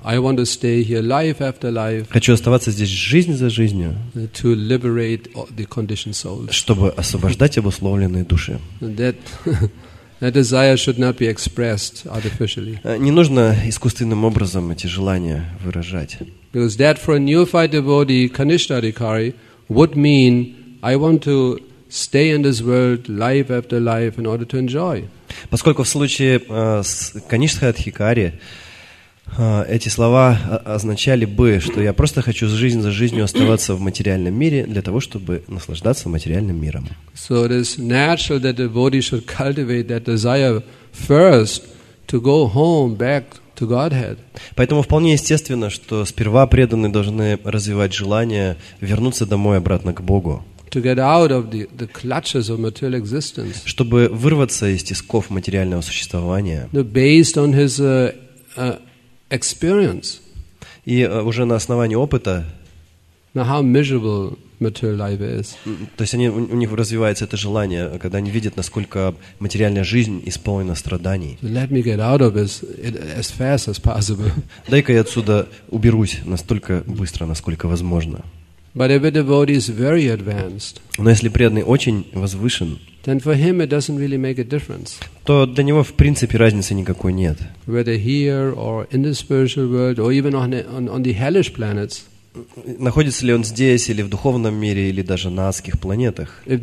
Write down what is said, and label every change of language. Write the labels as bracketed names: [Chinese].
[English] I want to stay here life after life, [Russian] хочу оставаться здесь жизнь за жизнью, [English] to liberate the conditioned souls. [Russian] Чтобы освобождать обусловленные души. [English] That desire should not be expressed artificially. [Russian] Не нужно искусственным образом эти желания выражать. [English] Because that for a neophyte devotee, Kanishtha Adhikari, would mean I want to stay in this world life after life in order to enjoy. [Russian] Поскольку в случае с Kanishtha Adhikari, Эти слова означали бы, что я просто хочу жизнь за жизнью оставаться в материальном мире для того, чтобы наслаждаться материальным миром. [English] So it is natural that the devotee should cultivate that desire first to go home back. [Russian] Поэтому вполне естественно, что сперва преданные должны развивать желание вернуться домой обратно к Богу, чтобы вырваться из тисков материального существования [English] based on his experience. [Russian] И уже на основании опыта. [English] Now how miserable material life is. [Russian] То есть у них развивается это желание, когда они видят, насколько материальная жизнь исполнена страданий. [English] Let me get out of this as fast as possible. [Russian] Дай-ка я отсюда уберусь настолько быстро, насколько возможно. [English] But if a devotee is very advanced, [Russian] но если преданный очень возвышен, [English] then for him it doesn't really make a difference. [Russian] То для него в принципе разницы никакой нет. [English] Whether here or in the spiritual world or even on the hellish planets. [Russian] Находится ли он здесь, или в духовном мире, или даже на адских планетах.